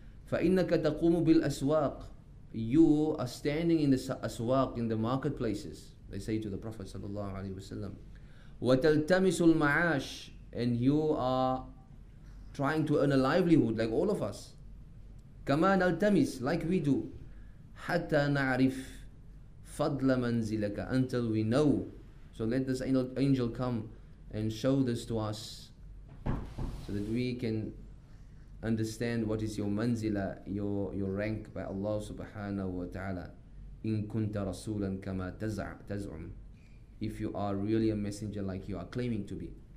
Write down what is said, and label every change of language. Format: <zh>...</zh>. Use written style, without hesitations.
<ar>فَإِنَّكَ تَقُومُ بِالْأَسْوَاقِ,</ar> <en>you are standing in the aswaq, in the marketplaces, they say to the Prophet sallallahu alaihi wasallam.</en> <ar>وَتَلْتَمِسُ الْمَعَاشِ,</ar> <en>and you are trying to earn a livelihood like all of us.</en> <ar>كَمَا نَلْتَمِسُ,</ar> <en>like we do.</en> <ar>حَتَّى نَعْرِفْ فَضْلَ مَنْزِلَكَ,</ar> <en>until we know. So let this angel come and show this to us so that we can understand what is your manzila, your rank by Allah subhanahu wa ta'ala.</en> <ar>إِن كُنْتَ رَسُولًا كَمَا تَزْعُمْ,</ar> <en>if you are really a messenger like you are claiming to be.</en>